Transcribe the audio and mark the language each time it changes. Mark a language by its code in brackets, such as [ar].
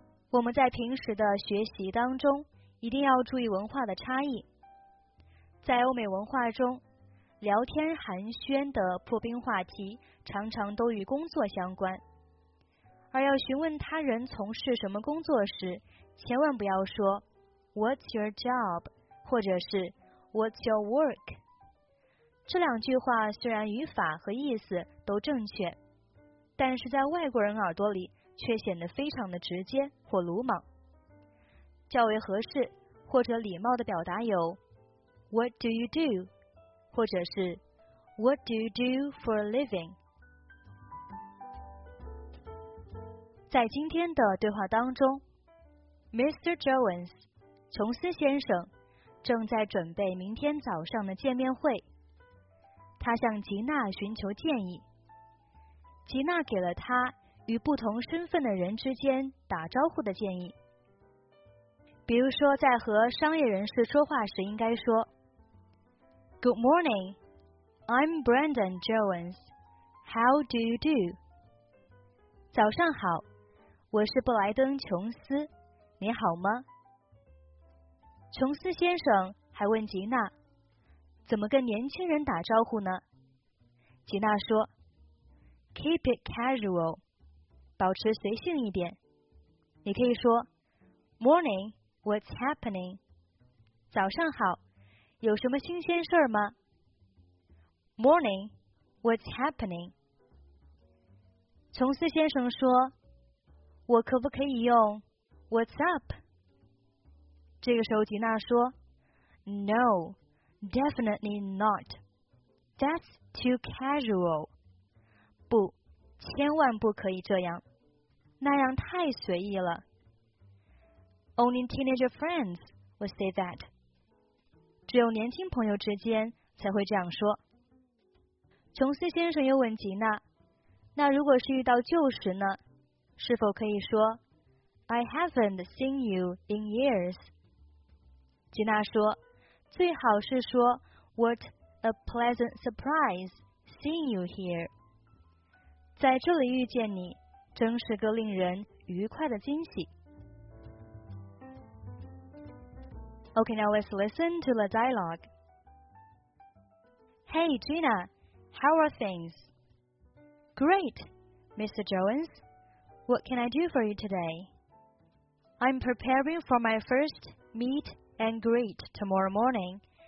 [zh] 我们在平时的学习当中一定要注意文化的差异。在欧美文化中，聊天寒暄的破冰话题常常都与工作相关。而要询问他人从事什么工作时，千万不要说 [en] What's your job? [zh] 或者是 [en] What's your work? 这两句话虽然语法和意思都正确，但是在外国人耳朵里却显得非常的直接或鲁莽。 [zh] 较为合适或者礼貌的表达有 [en] What do you do? [zh] 或者是 [en] What do you do for a living? [zh] 在今天的对话当中 ，Mr. Jones， 琼斯先生正在准备明天早上的见面会。他向吉娜寻求建议，吉娜给了他与不同身份的人之间打招呼的建议。比如说，在和商业人士说话时，应该说 [en] "Good morning, I'm Brandon Jones. How do you do?" [zh] 早上好。我是布莱登·琼斯，你好吗？琼斯先生还问吉娜，怎么跟年轻人打招呼呢？吉娜说 ， [en] Keep it casual， [zh] 保持随性一点。你可以说 ， [en] Morning， What's happening？ [zh] 早上好，有什么新鲜事儿吗 ？ [en] Morning， What's happening？ [zh] 琼斯先生说。我可不可以用 [en] What's up? [zh] 这个时候吉娜说 [en] No, definitely not. That's too casual. [zh] 不，千万不可以这样，那样太随意了。 [en] Only teenager friends would say that. [zh] 只有年轻朋友之间才会这样说。琼斯先生又问吉娜，那如果是遇到旧时呢？是否可以说 [en] I haven't seen you in years? [zh] 吉娜说最好是说 [en] What a pleasant surprise seeing you here. [zh] 在这里遇见你真是个令人愉快的惊喜。 [en] Okay, now let's listen to the dialogue. Hey, Gina, how are things? Great, Mr. Jones. What can I do for you today? I'm preparing for my first meet and greet tomorrow morning.